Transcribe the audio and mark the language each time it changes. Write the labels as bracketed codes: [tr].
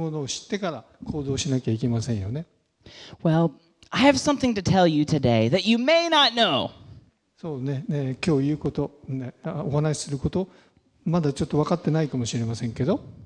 [ja] そうね、ここの国に住むには、よその国の自分たちはよその国にあることなんで、この日本の文化、そういうものを習ってから、そういうものを知ってから行動しなきゃいけませんよね。 [en] Well, I have something to tell you today that you may not know. [ja] そうね、今日言うこと、お話しすること、まだちょっと分かってないかもしれませんけど。